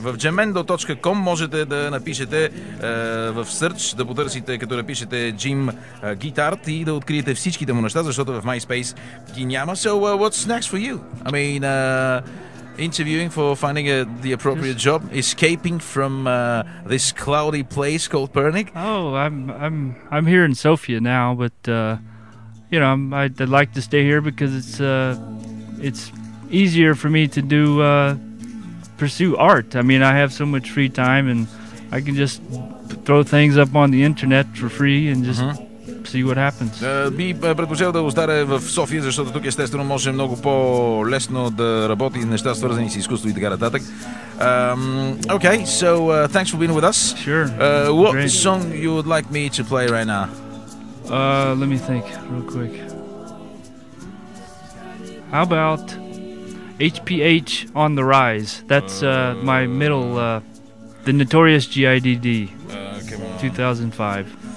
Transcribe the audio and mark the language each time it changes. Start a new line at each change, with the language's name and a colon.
Bulgarian: В jamendo.com можете да напишете в search, да потърсите, като напишете Jim Guitard и да откриете всичките му неща, защото в MySpace ги няма.
English: So, what's next for you? I mean, interviewing for finding the appropriate job, escaping from this cloudy place called Pernik. Oh, I'm here in Sofia now, but you know, I'd like to stay here because it's easier for me to do pursue art. I mean, I have so much free time and I can just throw things up on the internet for free and just. Mm-hmm. See what happens.
Bulgarian: Би предпочел да остане в София, защото тук естествено може много по-лесно да работи неща, свързани с изкуство и така нататък.
English: Okay, so thanks for being with us. Sure. What great. Song you would like me to play right now? Let me think real quick. How about HPH on the Rise? That's my middle, the Notorious G.I.D.D. 2005.